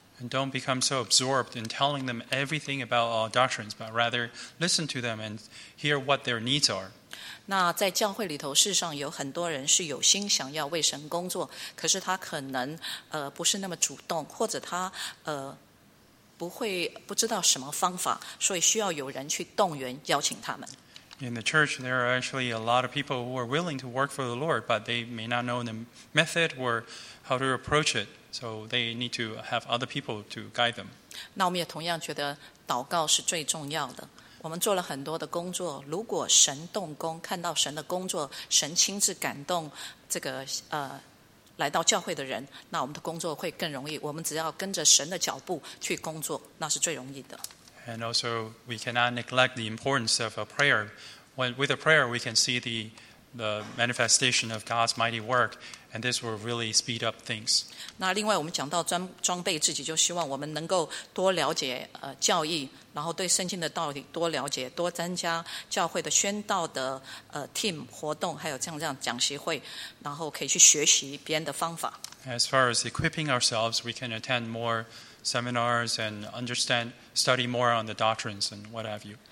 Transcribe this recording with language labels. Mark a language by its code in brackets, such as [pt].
[en] And don't become so absorbed in telling them everything about our doctrines, but rather listen to them and hear what their needs are. [zh] 那在教会里头，事实上有很多人是有心想要为神工作，可是他可能不是那么主动，或者他不知道什么方法，所以需要有人去动员邀请他们。 [en] In the church, there are actually a lot of people who are willing to work for the Lord, but they may not know the method or how to approach it. So they need to have other people to guide them. [zh] 那我们也同样觉得祷告是最重要的。我们做了很多的工作，如果神动工，看到神的工作，神亲自感动这个来到教会的人，那我们的工作会更容易。我们只要跟着神的脚步去工作，那是最容易的。 [en] And also, we cannot neglect the importance of a prayer. When with a prayer, we can see the manifestation of God's mighty work, and this will really speed up things. [zh] 那另外，我们讲到装备自己，就希望我们能够多了解教义，然后对圣经的道理多了解，多参加教会的宣道的team 活动，还有这样讲习会，然后可以去学习别人的方法。 [en] As far as equipping ourselves, we can attend more. Seminars and understand, study more on the doctrines and what have you.